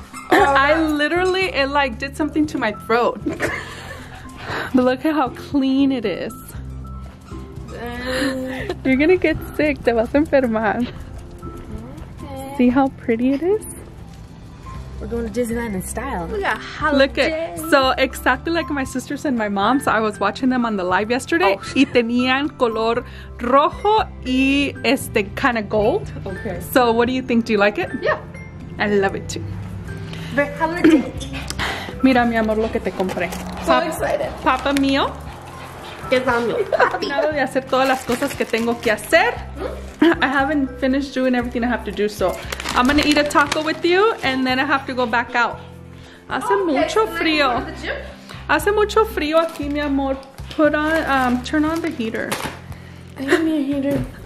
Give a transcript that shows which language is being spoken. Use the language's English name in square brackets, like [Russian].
[English] I literally, it like did something to my throat. But look at how clean it is. You're gonna get sick. [Spanish] Te vas a enfermar. [English] See how pretty it is? We're going to Disneyland in style. Look at how look at so exactly like my sisters and my mom. So I was watching them on the live yesterday. [Spanish] Oh. Y tenían color rojo y este [English] kind of gold. Okay. So what do you think? Do you like it? Yeah. I love it too. Very holiday. [Spanish] Mira, mi amor, lo que te compré. [English] So excited. [Spanish] Papa mío. ¿Qué es amigo? Terminado de hacer todas las cosas que tengo que hacer. [English] I haven't finished doing everything I have to do, so I'm gonna eat a taco with you and then I have to go back out. [Spanish] Hace mucho frío. Hace mucho frío aquí, mi amor. [English] Put on, turn on the heater. Give me a heater.